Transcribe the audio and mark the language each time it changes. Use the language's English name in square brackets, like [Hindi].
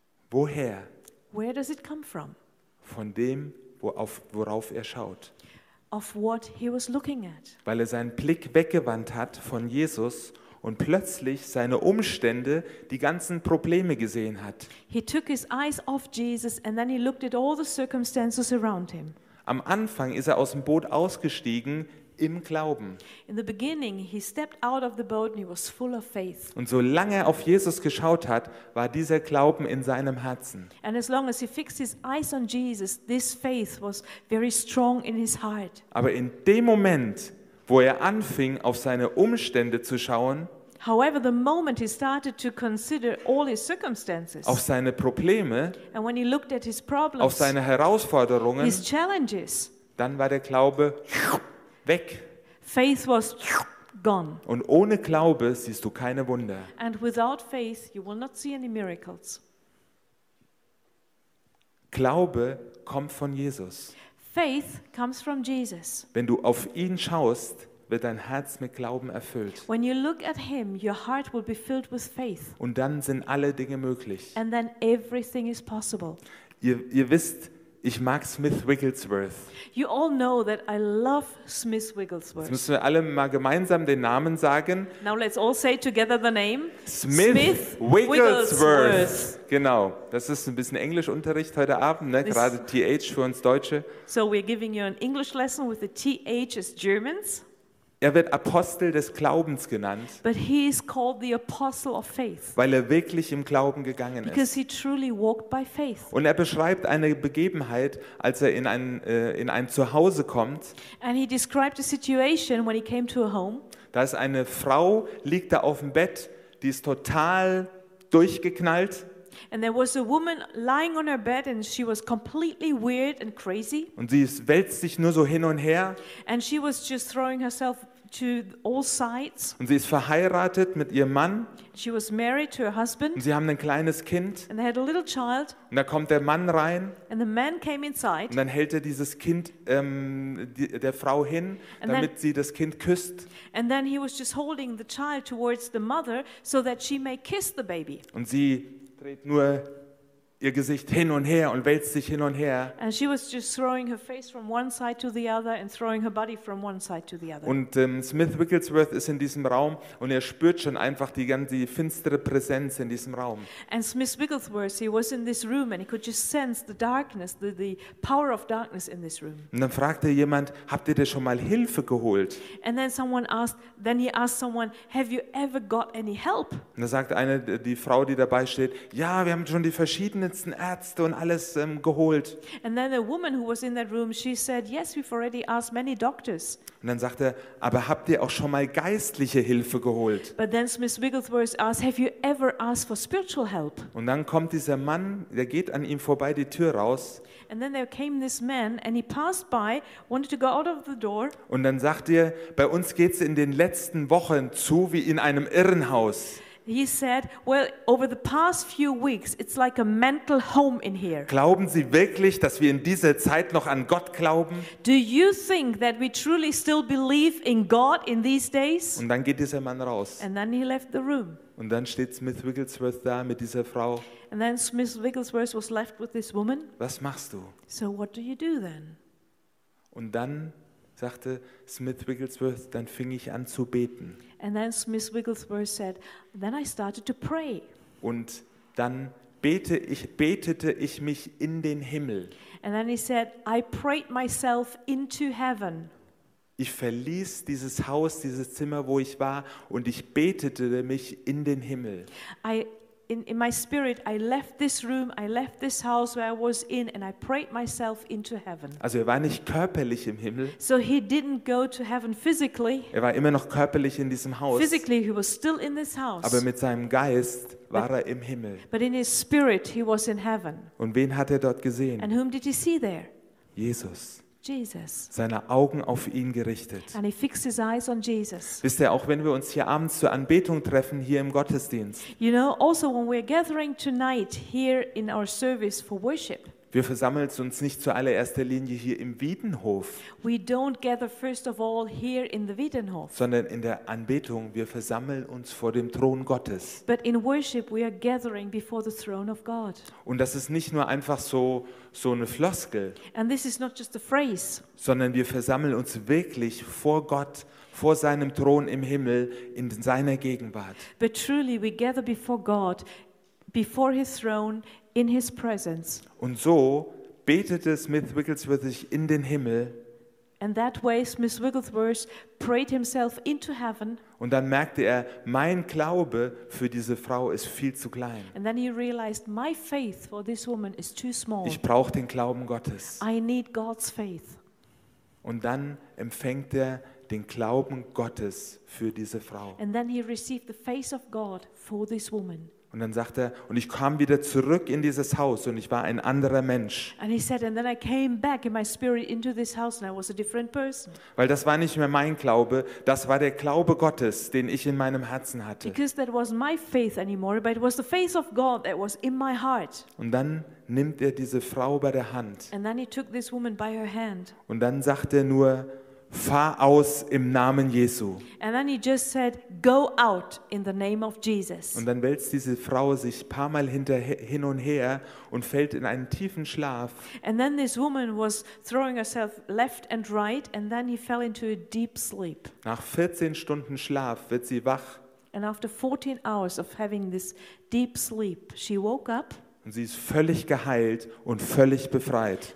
[German] Woher? [English] Where does it come from? [German] Von dem, worauf er schaut. [English] Of what he was looking at. [German] Weil er seinen Blick weggewandt hat von Jesus und plötzlich seine Umstände, die ganzen Probleme gesehen hat. [English] He took his eyes off Jesus and then he looked at all the circumstances around him. [German] Am Anfang ist er aus dem Boot ausgestiegen im Glauben. [English] In the beginning he stepped out of the boat and he was full of faith. [German] Und solange er auf Jesus geschaut hat, war dieser Glauben in seinem Herzen. [English] And as long as he fixed his eyes on Jesus, this faith was very strong in his heart. [German] Aber in dem Moment, wo er anfing, auf seine Umstände zu schauen, [English] however, the moment he started to consider all his circumstances, [German] auf seine Probleme, [English] and when he looked at his problems, [German] auf seine Herausforderungen, [English] his challenges, [German] dann war der Glaube weg. [English] Faith was gone. [German] Und ohne Glaube siehst du keine Wunder. [English] And without faith, you will not see any miracles. [German] Glaube kommt von Jesus. [English] Faith comes from Jesus. [German] Wenn du auf ihn schaust, wird dein Herz mit Glauben erfüllt. [English] When you look at him, your heart will be filled with faith. [German] Und dann sind alle Dinge möglich. [English] And then everything is possible. [German] Ihr wisst, ich mag Smith Wigglesworth. [English] You all know that I love Smith Wigglesworth. [German] Jetzt müssen wir alle mal gemeinsam den Namen sagen. [English] Now let's all say together the name. [German] Smith Wigglesworth. Genau. Das ist ein bisschen Englischunterricht heute Abend, ne? Gerade TH für uns Deutsche. [English] So we're giving you an English lesson with the TH as Germans. [German] Er wird Apostel des Glaubens genannt, [English] but he is called the apostle of faith, [German] weil er wirklich im Glauben gegangen ist. [English] Because he truly walked by faith. [German] Und er beschreibt eine Begebenheit, als er in ein Zuhause kommt. [English] And he described a situation when he came to a home. [German] Da ist eine Frau, liegt da auf dem Bett, die ist total durchgeknallt. [English] And there was a woman lying on her bed and she was completely weird and crazy. [German] Und sie wälzt sich nur so hin und her. [English] And she was just throwing herself to all sides. [German] Und sie ist verheiratet mit ihrem Mann. [English] She was married to her husband. [German] Und sie haben ein kleines Kind. [English] And they had a little child. [German] Und da kommt der Mann rein. [English] And the man came inside. [German] Und dann hält er dieses Kind der Frau hin, [English] and [German] damit [English] then, [German] sie das Kind küsst. [English] And then he was just holding the child towards the mother so that she may kiss the baby. [German] Und sie dreht nur ihr Gesicht hin und her und wälzt sich hin und her. [English] And she was just throwing her face from one side to the other and throwing her body from one side to the other. [German] Und Smith Wigglesworth ist in diesem Raum und er spürt schon einfach die ganze finstere Präsenz in diesem Raum. [English] And Smith Wigglesworth, he was in this room and he could just sense the darkness, the power of darkness in this room. [German] Und dann fragte jemand, habt ihr denn schon mal Hilfe geholt? [English] And then he asked someone, have you ever got any help? [German] Und da sagt eine, die Frau, die dabei steht, ja, wir haben schon die verschiedenen Ärzte und alles geholt. [English] And then the woman who was in that room, she said, yes, we've already asked many doctors. [German] Und dann sagte er, aber habt ihr auch schon mal geistliche Hilfe geholt? [English] But then Miss Wigglesworth asked, have you ever asked for spiritual help? [German] Und dann kommt dieser Mann, der geht an ihm vorbei die Tür raus. [English] And then there came this man and he passed by, wanted to go out of the door. [German] Und dann sagt er, bei uns geht's in den letzten Wochen zu wie in einem Irrenhaus. [English] He said, well, over the past few weeks, it's like a mental home in here. [German] Glauben Sie wirklich, dass wir in dieser Zeit noch an Gott glauben? [English] Do you think that we truly still believe in God in these days? [German] Und dann geht dieser Mann raus. [English] And then he left the room. [German] Und dann steht Smith Wigglesworth da mit dieser Frau. [English] And then Smith Wigglesworth was left with this woman. [German] Was machst du? [English] So what do you do then? [German] Und dann sagte Smith Wigglesworth, dann fing ich an zu beten. [English] And then Smith Wigglesworth said, then I started to pray. [German] Und dann betete ich mich in den Himmel. [English] And then he said, I prayed myself into heaven. [German] Ich verließ dieses Haus, dieses Zimmer, wo ich war, und ich betete mich in den Himmel. [English] In my spirit, I left this room, I left this house where I was in, and I prayed myself into heaven. [German] Also er war nicht körperlich im Himmel. [English] So he didn't go to heaven physically. [German] Er war immer noch körperlich in diesem Haus. [English] Physically, he was still in this house. [German] Aber mit seinem Geist war er im Himmel. [English] But in his spirit, he was in heaven. [German] Und wen hat er dort gesehen? [English] And whom did he see there? [German] Jesus. [English] Jesus. [German] Seine Augen auf ihn gerichtet. [English] And he fixed his eyes on Jesus. [German] Wisst ihr, auch wenn wir uns hier abends zur Anbetung treffen, hier im Gottesdienst. [English] You know, also when we're gathering tonight here in our service for worship. [German] Wir versammeln uns nicht zuallererster Linie hier im Wiedenhof. [English] We don't gather first of all here in the Wiedenhof. [German] Sondern in der Anbetung, wir versammeln uns vor dem Thron Gottes. [English] But in worship we are gathering before the throne of God. [German] Und das ist nicht nur einfach so eine Floskel. [English] And this is not just a phrase. [German] Sondern wir versammeln uns wirklich vor Gott, vor seinem Thron im Himmel, in seiner Gegenwart. [English] But truly we gather before God, before his throne, in his presence. [German] Und so betete Smith Wigglesworth sich in den Himmel. [English] And that way Smith Wigglesworth prayed himself into heaven. [German] Und dann merkte er, mein Glaube für diese Frau ist viel zu klein. [English] And then he realized my faith for this woman is too small. [German] Ich brauche den Glauben Gottes. [English] I need God's faith. [German] Und dann empfängt er den Glauben Gottes für diese Frau. [English] And then he received the faith of God for this woman. [German] Und dann sagt er, und ich kam wieder zurück in dieses Haus und ich war ein anderer Mensch. [English] And he said, and then I came back in my spirit into this house and I was a different person. [German] Weil das war nicht mehr mein Glaube, das war der Glaube Gottes, den ich in meinem Herzen hatte. [English] Because that was my faith anymore, but it was the faith of God that was in my heart. [German] Und dann nimmt er diese Frau bei der Hand. [English] And then he took this woman by her hand. [German] Und dann sagt er nur, fahr aus im Namen Jesu. [English] And then he just said, go out in the name of Jesus. [German] Und dann wälzt diese Frau sich ein paar Mal hin und her und fällt in einen tiefen Schlaf. [English] And then this woman was throwing herself left and right and then he fell into a deep sleep. [German] Nach 14 Stunden Schlaf wird sie wach. [English] And after 14 hours of having this deep sleep, she woke up. [German] Und sie ist völlig geheilt und völlig befreit.